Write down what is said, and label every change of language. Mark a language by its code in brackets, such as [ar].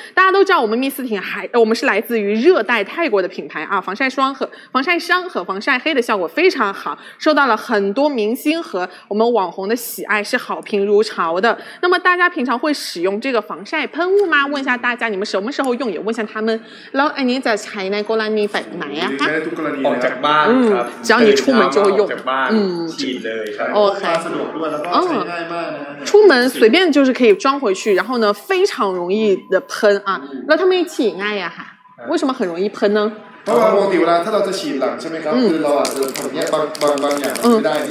[zh] 大家都知道我们 Mistine 还我们是来自于热带泰国的品牌啊，防晒霜和防晒霜和防晒黑的效果非常好，受到了很多明星和我们网红的喜爱，是好评如潮的。那么大家平常会使用这个防晒喷雾吗？问一下大家，你们什么时候用？也问一下他们。 [th] แล้วอันนี้จะใช้ในกรณีแบบไหนอะคะ ใช้ทุกกรณี ออกจากบ้านครับ จะเอาอยู่ชุมมันจะ อ ยู่ ออกจากบ้านฉีดเลยใช่โอเค สะดวกด้วยแล้วก็ใช้ง่ายมากนะ [zh] ชุมมัน随便就是可以装回去然后呢非常容易的喷啊 [th] แล้วทำไมฉีดง่ายอะค่ะ [zh] 为什么很容易喷呢 [th] เพราะว่าปกติเวลาถ้าเราจะฉีดหลังใช่ไหมครับคือเราอาจจะผลเนี้ยบางอย่างไม่ได้น